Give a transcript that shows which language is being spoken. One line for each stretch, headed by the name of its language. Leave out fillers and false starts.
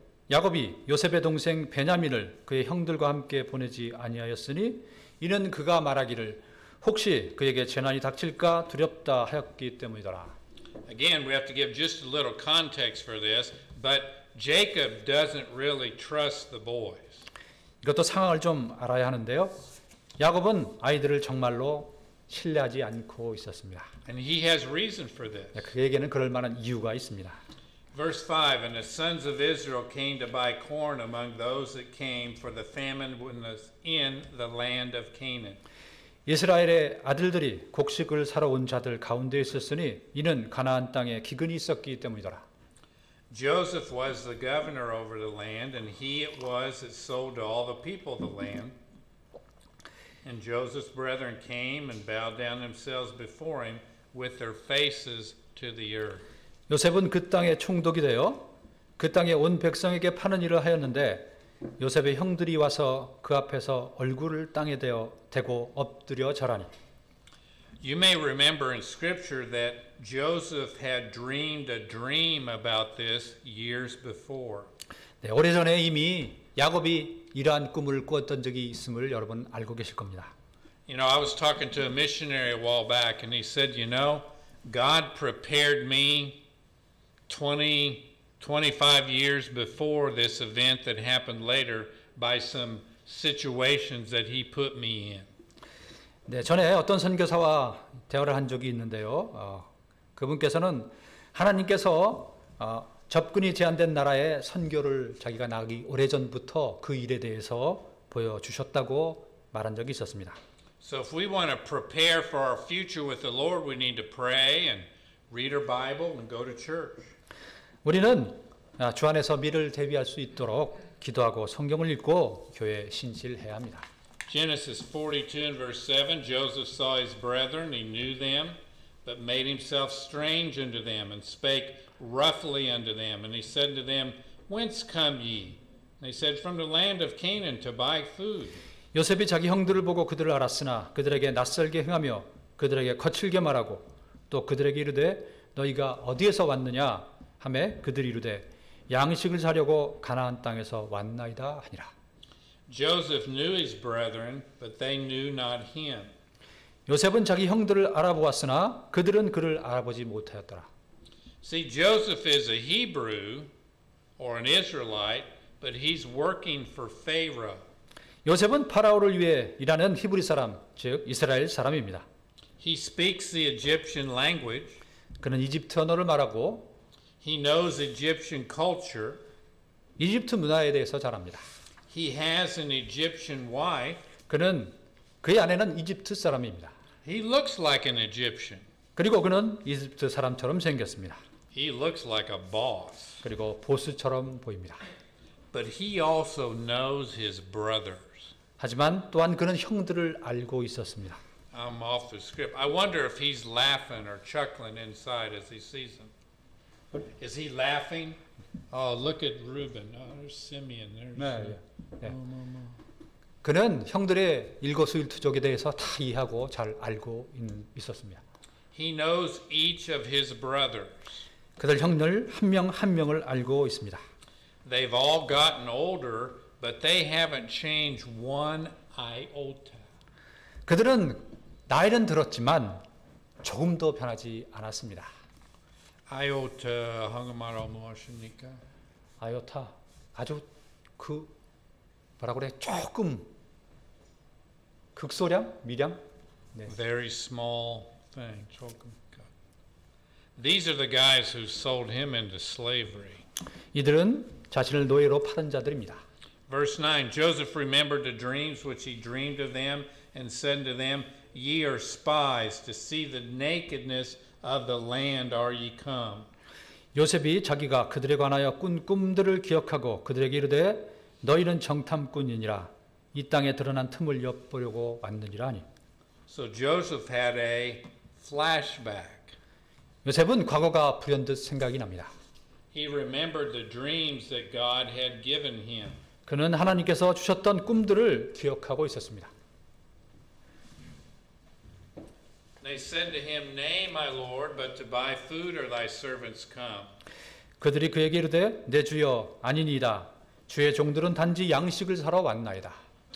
Korean: 야곱이 요셉의 동생 베냐민을 그의 형들과 함께 보내지 아니하였으니 이는 그가 말하기를 혹시 그에게 재난이 닥칠까 두렵다 하였기 때문이더라.
English: Again, we have to give just a little context for this, but Jacob doesn't really trust the boys.
Korean: 이것도 상황을 좀 알아야 하는데요. 야곱은 아이들을 정말로 신뢰하지 않고 있었습니다.
English: And he has reason for this.
Korean: 그에게는 그럴 만한 이유가 있습니다.
English: Verse 5, and the sons of Israel came to buy corn among those that came for the famine was in the land of Canaan.
Korean: 이스라엘의 아들들이 곡식을 사러 온 자들 가운데 있었으니 이는 가나안 땅에 기근이 있었기 때문이더라.
English: Joseph was the governor over the land, and he it was that sold to all the people of the land. And Joseph's brethren came and bowed down themselves before him with their faces to the earth.
Korean: 요셉은 그 땅의 총독이 되어 그 땅의 온 백성에게 파는 일을 하였는데 요셉의 형들이 와서 그 앞에서 얼굴을 땅에 대고 엎드려 절하니.
English: You may remember in scripture that Joseph had dreamed a dream about this years before.
Korean: 네, 오래전에 이미 야곱이 이러한 꿈을 꾸었던 적이 있음을 여러분 알고 계실 겁니다.
English: You know, I was talking to a missionary a while back and he said, you know, God prepared me 25 years before this event that happened later by some situations that he put me in.
Korean: 네, 전에 어떤 선교사와 대화를 한 적이 있는데요. 그분께서는 하나님께서 접근이 제한된 나라에 선교를 자기가 나가기 오래전부터 그 일에 대해서 보여주셨다고 말한 적이 있었습니다.
English: So if we want to prepare for our future with the Lord, we need to pray and read our Bible and go to church.
Korean: 우리는 주 안에서 미래를 대비할 수 있도록 기도하고 성경을 읽고 교회에 신실해야 합니다.
English: Genesis 42 and verse 7, Joseph saw his brethren, he knew them, but made himself strange unto them, and spake roughly unto them. And he said to them, whence come ye? And they said, from the land of Canaan to buy food.
Korean: 요셉이 자기 형들을 보고 그들을 알았으나 그들에게 낯설게 행하며 그들에게 거칠게 말하고 또 그들에게 이르되 너희가 어디에서 왔느냐 하매 그들이 이르되 양식을 사려고 가나안 땅에서 왔나이다 하니라.
English: Joseph knew his brethren, but they knew not him.
Korean: 요셉은 자기 형들을 알아보았으나 그들은 그를 알아보지 못하였더라.
English: See, Joseph is a Hebrew or an Israelite, but he's working for Pharaoh.
Korean: 요셉은 파라오를 위해 일하는 히브리 사람, 즉 이스라엘 사람입니다.
English: He speaks the Egyptian language.
Korean: 그는 이집트 언어를 말하고.
English: He knows Egyptian culture.
Korean: 이집트 문화에 대해서 잘 압니다.
English: He has an Egyptian wife.
Korean: 그는 그의 아내는 이집트 사람입니다.
English: He looks like an Egyptian.
Korean: 그리고 그는 이집트 사람처럼 생겼습니다.
English: He looks like a boss.
Korean: 그리고 보스처럼 보입니다.
English: But he also knows his brothers.
Korean: 하지만 또한 그는 형들을 알고 있었습니다.
English: I'm off the script. I wonder if he's laughing or chuckling inside as he sees them. Is he laughing? Oh, look at Reuben. Oh, there's Simeon. There's.
Korean: 네, 네. 네. 그는 형들의 일거수일투족에 대해서 다 이해하고 잘 알고 있었습니다.
English: He knows each of his brothers.
Korean: 그들 형들 한 명 한 명을 알고 있습니다.
English: They've all gotten older, but they haven't changed one iota.
Korean: 그들은 나이는 들었지만 조금도 변하지 않았습니다. Iota, 한국말로 무엇입니까? Iota, 아주 그 뭐라 그래 조금 극소량 미량. 네.
English: Very small thing, 조금. These are the guys who sold him into slavery.
Korean: 이들은 자신을 노예로 파는 자들입니다.
English: Verse 9, Joseph remembered the dreams which he dreamed of them and said to them, Ye are spies, to see the nakedness of the land are ye come.
Korean: 요셉이 자기가 그들에 관하여 꾼 꿈들을 기억하고 그들에게 이르되 너희는 정탐꾼이니라 이 땅에 드러난 틈을 엿보려고 왔느니라 하니.
English: So Joseph had a flashback.
Korean: 요셉은 과거가 불현듯 생각이 납니다.
English: He remembered the dreams that God had given him.
Korean: 그는 하나님께서 주셨던 꿈들을 기억하고 있었습니다.
English: They said to him, "Nay, my lord, but to buy food are thy servants come."
Korean: 그들이 그에게 이르되 내 주여 아니니이다 주의 종들은 단지 양식을 사러 왔나이다.